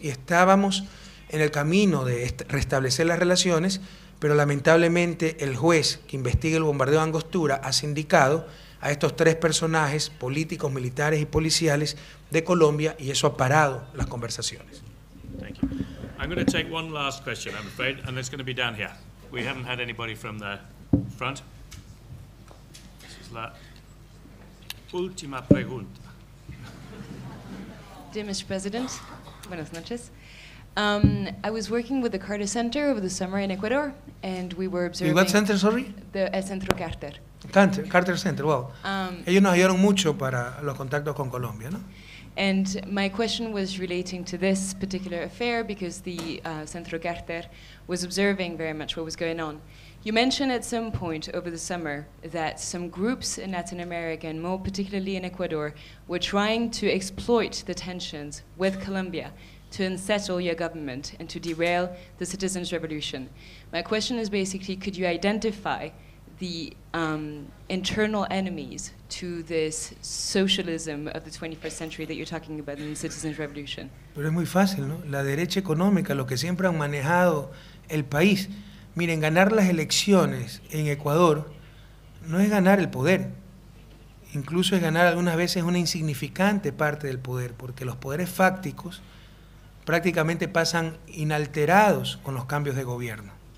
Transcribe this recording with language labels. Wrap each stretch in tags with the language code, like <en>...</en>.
<es>Y estábamos en el camino de restablecer las relaciones, pero lamentablemente el juez que investiga el bombardeo de Angostura ha sindicado a estos tres personajes políticos, militares y policiales de Colombia y eso ha parado las conversaciones.</es> <en>Thank you. I'm going to take one last question, I'm afraid, and it's going to be down here. We haven't had anybody from the front. This is</en> <es>la última pregunta.</es> <en>Dear Mr. President,</en> <es>buenas noches.</es> <en>I was working with the Carter Center over the summer in Ecuador, and we were observing... What center, sorry?</en> <es>El Centro Carter.</es> <en>Carter Center, wow.</en> <es>Ellos nos ayudaron mucho para los contactos con Colombia, ¿no?</es> <en>And my question was relating to this particular affair because the Centro Carter was observing very much what was going on. You mentioned at some point over the summer that some groups in Latin America and more particularly in Ecuador were trying to exploit the tensions with Colombia to unsettle your government and to derail the citizens' revolution. My question is basically, could you identify the internal enemies to this socialism of the 21st century that you're talking about in the citizens' revolution?</en> <es>Pero es muy fácil, ¿no? La derecha económica, los que siempre han manejado el país. Miren, ganar las elecciones en Ecuador no es ganar el poder. Incluso es ganar algunas veces una insignificante parte del poder, porque los poderes fácticos prácticamente pasan inalterados con los cambios de gobierno.</es>